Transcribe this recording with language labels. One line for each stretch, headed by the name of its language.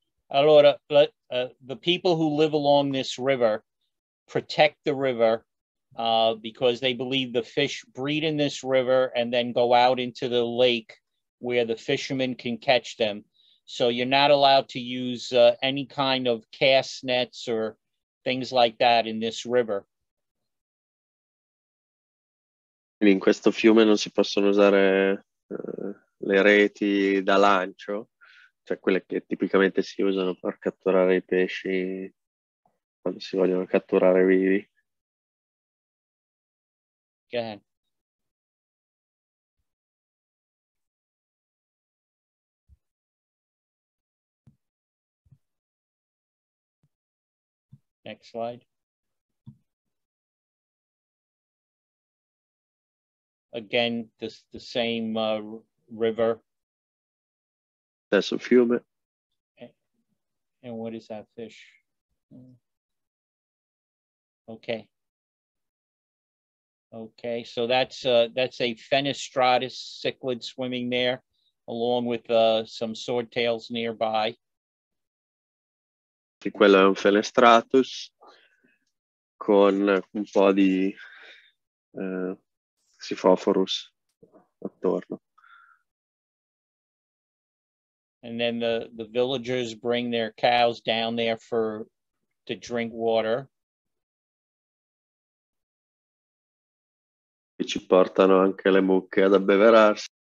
English: Allora, the people who live along this river protect the river because they believe the fish breed in this river and then go out into the lake where the fishermen can catch them. So you're not allowed to use any kind of cast nets or things like that in this river.
Italian: In questo fiume non si possono usare le reti da lancio, cioè quelle che tipicamente si usano per catturare i pesci quando si vogliono catturare vivi.
English: Go ahead. Next slide. Again, the same river. That's a fiume. And what is that fish? Okay. So that's a Phenostratus cichlid swimming there, along with some swordtails nearby.
Italian: Sì, quello è un Phenostratus con un po' di Sifophorus attorno.
English: And then the villagers bring their cows down there to drink water.
Italian: E ci portano anche le mucche ad abbeverarsi.